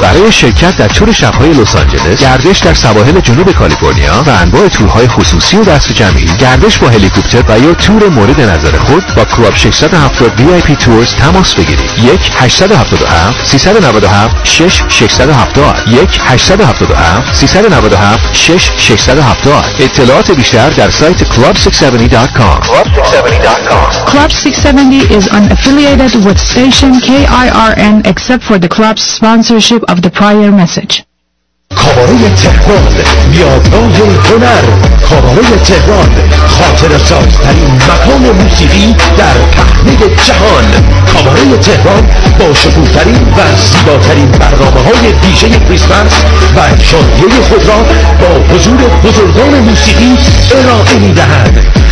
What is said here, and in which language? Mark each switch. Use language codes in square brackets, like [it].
[fa] برای شرکت در تور شب‌های لس آنجلس، گردش در سواحل جنوب کالیفرنیا و انواع تورهای خصوصی و دست جمعی، گردش با هلیکوپتر و یا تور مورد نظر خود با کلاب 670 VIP تورز تماس بگیرید. 1-877-397-6670 1-877-397-6670. اطلاعات بیشتر در سایت club670.com. [en] Club 670 is unaffiliated with station KIRN except for the club's sponsorship of the prior message. [fa] کاباره تهران، یادگاه هنر، کاباره تهران، خاطر سازترین مکان موسیقی در پهنه جهان. کاباره تهران با شکوه‌ترین و زیباترین برنامه‌های ویژه کریسمس و شادیه خود را با حضور بزرگان موسیقی ارائه می‌دهد.